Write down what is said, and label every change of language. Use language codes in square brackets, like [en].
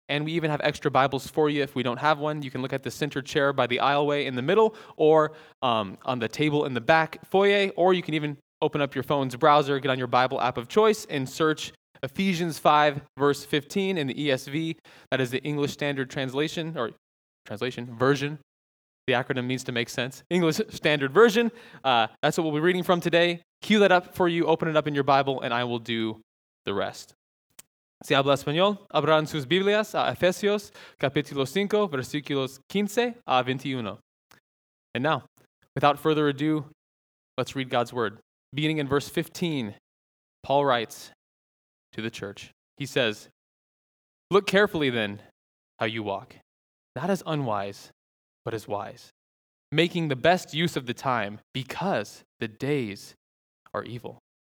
[en] And we even have extra Bibles for you if we don't have one. You can look at the center chair by the aisleway in the middle, or on the table in the back foyer, or you can even open up your phone's browser, get on your Bible app of choice, and search Ephesians 5, verse 15 in the ESV. That is the English Standard Version. The acronym needs to make sense. English Standard Version. That's what we'll be reading from today. Cue that up for you. Open it up in your Bible, and I will do the rest. [es] Si habla español, abran sus Biblias a Efesios, capítulo 5, versículos 15-21. [en] And now, without further ado, let's read God's Word. Beginning in verse 15, Paul writes to the church. He says, look carefully then how you walk, not as unwise, but as wise, making the best use of the time because the days are evil.